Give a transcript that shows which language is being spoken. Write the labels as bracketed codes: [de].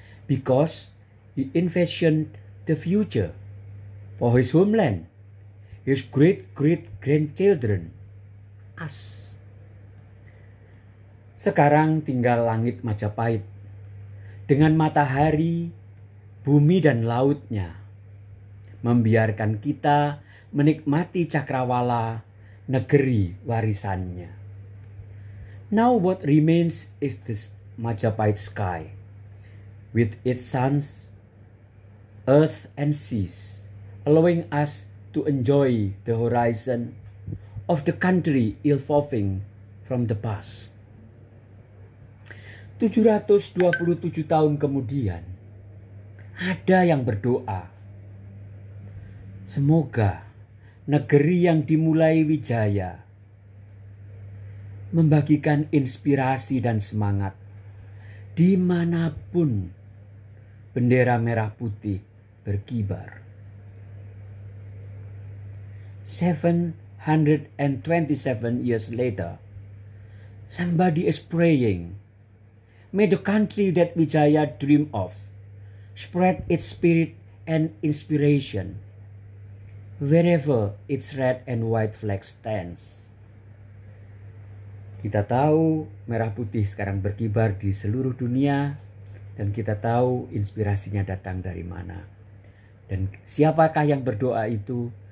[en] Because he envisioned the future for his homeland, his great-great-grandchildren, us. [id] Sekarang tinggal langit Majapahit dengan matahari, bumi dan lautnya, membiarkan kita menikmati cakrawala negeri warisannya. [en] Now what remains is this Majapahit sky with its suns, earth and seas, allowing us to enjoy the horizon of the country evolving from the past. [id] 727 tahun kemudian, ada yang berdoa. Semoga negeri yang dimulai Wijaya membagikan inspirasi dan semangat dimanapun bendera merah putih berkibar. [en] 727 years later, somebody is praying. May the country that Wijaya dream of spread its spirit and inspiration wherever its red and white flag stands. [id] Kita tahu merah putih sekarang berkibar di seluruh dunia, dan kita tahu inspirasinya datang dari mana. Dan siapakah yang berdoa itu?